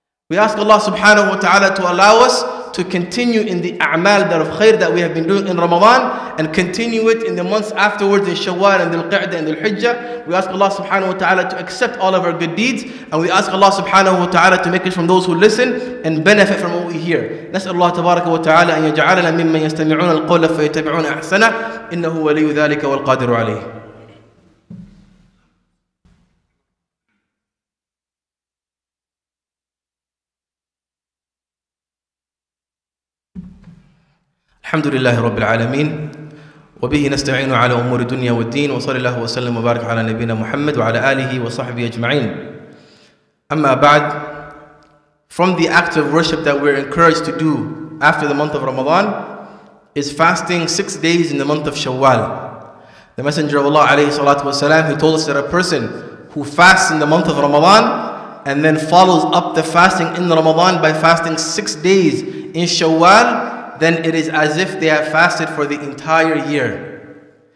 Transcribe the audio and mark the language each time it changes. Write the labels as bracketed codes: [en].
[en] We ask Allah subhanahu wa ta'ala to allow us to continue in the a'mal dar of khair that we have been doing in Ramadan and continue it in the months afterwards in Shawwal and Dhul-Qa'da and Dhul-Hijjah. We ask Allah subhanahu wa ta'ala to accept all of our good deeds, and we ask Allah subhanahu wa ta'ala to make us from those who listen and benefit from what we hear. [ar] نسأل الله تبارك وتعالى أن يجعلنا ممن يستمعون القول فيتبعون أحسنه إنه ولي ذلك والقادر عليه. الحمد لله رب العالمين وبه نستعين على أمور الدنيا والدين وصلى الله وسلم وبارك على نبينا محمد وعلى آله وصحبه أجمعين. أما بعد, [en] from the act of worship that we're encouraged to do after the month of Ramadan is fasting 6 days in the month of Shawwal. The Messenger of Allah [ar] عليه الصلاة والسلام, [en] he told us that a person who fasts in the month of Ramadan and then follows up the fasting in Ramadan by fasting 6 days in Shawwal, then it is as if they have fasted for the entire year.